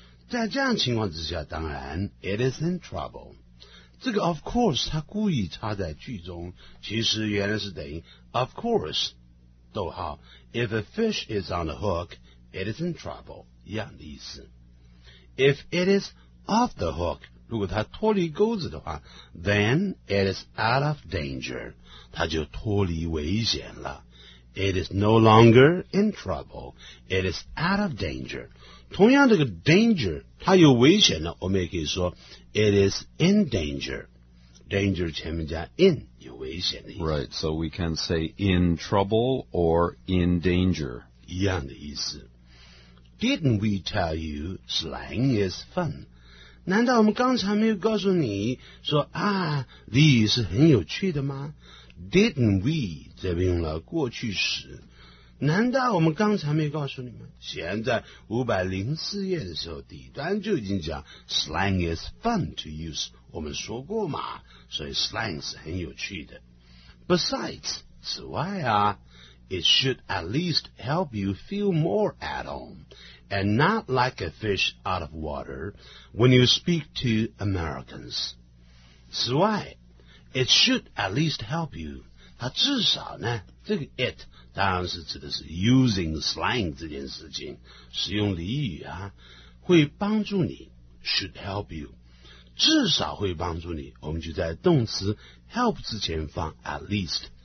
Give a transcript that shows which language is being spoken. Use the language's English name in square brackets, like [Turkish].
[Chinese] 在这样情况之下当然 [English] It is in trouble [Chinese] 这个 [English] of course [Chinese] 它故意插在句中其实原来是等于 [English] Of course [Chinese] 逗号 [English] If a fish is on the hook It is in trouble [Chinese] 一样的意思 [English] If it is off the hook, [Chinese] 如果它脱离钩子的话 [English] then it is out of danger, [Chinese] 它就脱离危险了。 [English] It is no longer in trouble, it is out of danger. [Chinese] 同样这个 danger, 它有危险了我们也可以说 [English] it is in danger. [Chinese] Danger 前面加 in, 有危险的意思。 [English] Right, so we can say in trouble or in danger. [Chinese] 一样的意思。 [English] Didn't we tell you slang is fun? [Chinese] 难道我们刚才没有告诉你说啊俚语是很有趣的吗 [English] Didn't we [Chinese] 这边用了过去时难道我们刚才没有告诉你吗现在504页的时候底端就已经讲 [English] slang is fun to use [Chinese] 我们说过嘛所以 slang 是很有趣的 [English] Besides [Chinese] 此外啊 [English] It should at least help you feel more at home and not like a fish out of water when you speak to Americans. [Chinese] 此外 [English] it should at least help you. [Chinese] 它至少呢这个 it 当然是指的是 using slang 这件事情使用俚语啊会帮助你 [English] should help you. [Chinese] 至少会帮助你我们就在动词 help 之前放 at least.